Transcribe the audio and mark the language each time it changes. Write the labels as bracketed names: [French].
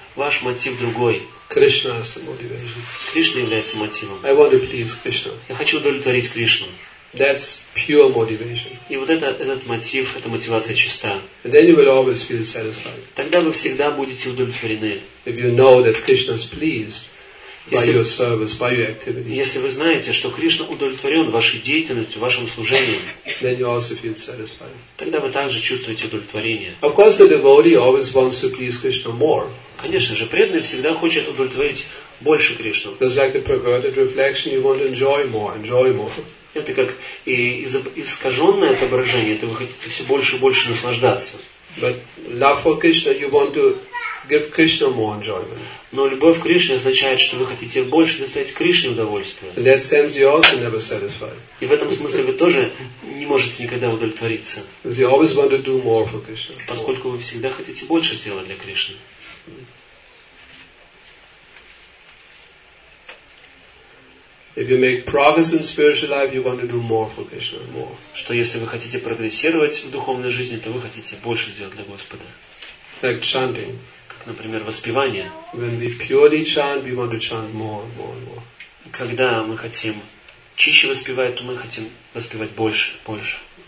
[Russian] Ваш мотив другой. [English] Krishna is the motivation. [Russian] Кришна является мотивом. [English] I want to please Krishna. [Russian] Я хочу удовлетворить Кришну. [English] That's pure motivation. [Russian] И вот этот мотив, эта мотивация чиста. [English] And then you will always feel satisfied. [Russian] Тогда вы всегда будете удовлетворены. [English] If you know that Krishna is pleased by your service, by your activity. [Russian] Если вы знаете, что Кришна удовлетворен вашей деятельностью, вашим служением, [English] then you also feel satisfied. [Russian] Тогда вы также чувствуете удовлетворение. [English] Of course, the devotee always wants to please Krishna more. [Russian] Конечно же, преданный всегда хочет удовлетворить больше Кришну. [English] Just like the perverted reflection, you want to enjoy more. [Russian] Это как и искаженное отображение, это вы хотите все больше и больше наслаждаться. [English] But love for Krishna, you want to give Krishna more enjoyment. [Russian] Но любовь к Кришне означает, что вы хотите больше доставить Кришне удовольствие. [English] In that sense, you also never satisfied. [Russian] И в этом смысле вы тоже не можете никогда удовлетвориться. [English] Because you always want to do more for Krishna. [Russian] Поскольку вы всегда хотите больше сделать для Кришны. [English] If you make progress in spiritual life, you want to do more for Krishna, more. [Russian] Что если вы хотите прогрессировать в духовной жизни, то вы хотите больше сделать для Господа. [English] Like chanting. [Russian] например, воспевание. [English] When we purely chant, we want to chant more, more, more. [Russian] Когда мы хотим чище воспевать, то мы хотим воспевать больше, больше.